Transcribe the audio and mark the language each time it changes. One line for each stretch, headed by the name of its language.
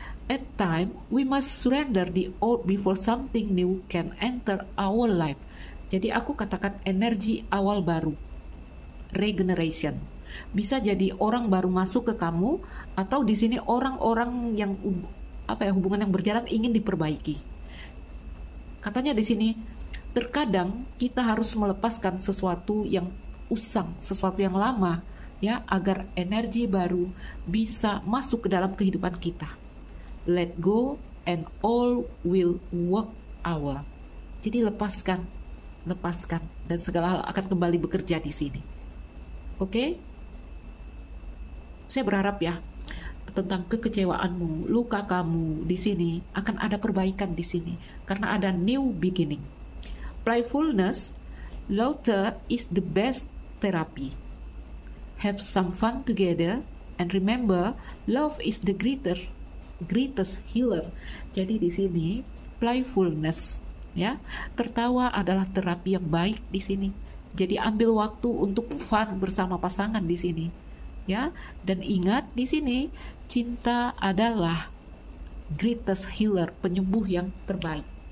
English: At time, we must surrender the old before something new can enter our life.
Indonesian: Jadi aku katakan energi awal baru, regeneration. Bisa jadi orang baru masuk ke kamu, atau di sini orang-orang yang apa ya, hubungan yang berjalan ingin diperbaiki. Katanya di sini, terkadang kita harus melepaskan sesuatu yang usang, sesuatu yang lama, ya, agar energi baru bisa masuk ke dalam kehidupan kita.
English: Let go and all will work out.
Indonesian: Jadi lepaskan, lepaskan, dan segala hal akan kembali bekerja di sini. Oke? Okay? Saya berharap ya, tentang kekecewaanmu, luka kamu di sini, akan ada perbaikan di sini. Karena ada
English: new beginning. Playfulness, laughter is the best therapy. Have some fun together and remember, love is the greatest healer.
Indonesian: Jadi di sini playfulness, ya, tertawa adalah terapi yang baik di sini. Jadi ambil waktu untuk fun bersama pasangan di sini, ya. Dan ingat di sini cinta adalah
English: greatest healer,
Indonesian: penyembuh yang terbaik.